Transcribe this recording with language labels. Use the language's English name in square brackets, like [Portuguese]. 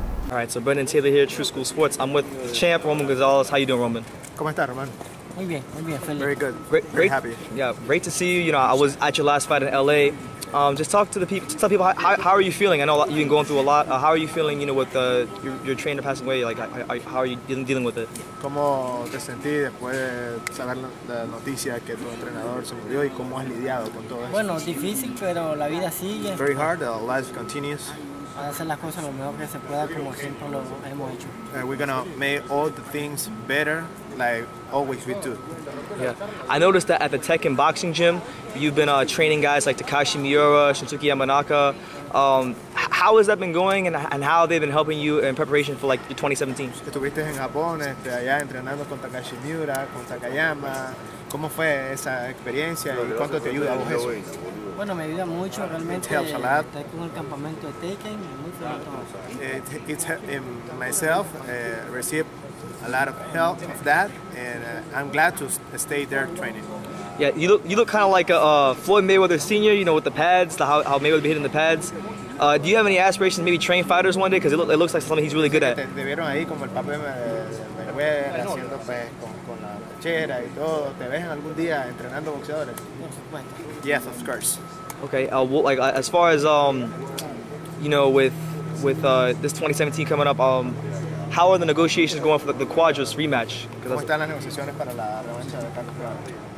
[English] All right, so Brendan Taylor here, True School Sports. I'm with the champ, Roman Gonzalez. How you doing, Roman? [Spanish] ¿Cómo está, Roman? Muy bien, feliz. [English] Very good. Very happy. Yeah, great to see you. You know, I was at your last fight in L.A. Just talk to the people. Tell people how are you feeling. I know you've been going through a lot. How are you feeling? You know, with your trainer passing away. Like, how are you dealing with it? [Spanish] ¿Cómo te sentí después de saber la noticia que tu entrenador se murió y cómo has lidiado con todo eso? Bueno, difícil, pero la vida sigue. [English] Very hard. Life continues. [Spanish] Hacer las cosas lo mejor que se pueda, como siempre lo hemos hecho. [English] We're gonna make all the things better, like always we do. Yeah, I noticed that at the Tekken boxing gym, you've been training guys like Takashi Miura, Shinsuke Yamanaka. How has that been going, and how have they been helping you in preparation for like 2017? [Spanish] Estuviste en Japón, allá entrenando con Takashi Miura, con Takayama. ¿Cómo fue esa experiencia y cuánto te ayuda a vos eso? Bueno, me ayuda mucho realmente. [English] Helps a lot. [Spanish] Estar con el campamento de Tekken, mucho. [English] It's myself receive a lot of help of that, and I'm glad to stay there training. Yeah, you look kind of like a Floyd Mayweather senior, you know, with the pads, the how Mayweather be hitting the pads. Do you have any aspirations to maybe train fighters one day? Because it looks like something he's really good at. [Spanish] Te vieron ahí como el papel Mayweather haciendo pues con la chera y todo. ¿Te ves algún día entrenando boxeadores? [English] Yes, of course. Okay, well, like as far as you know, with this 2017 coming up, how are the negotiations going for the Cuadras rematch? [Spanish] ¿Cómo están las negociaciones para la revancha de Carlos Cuadras?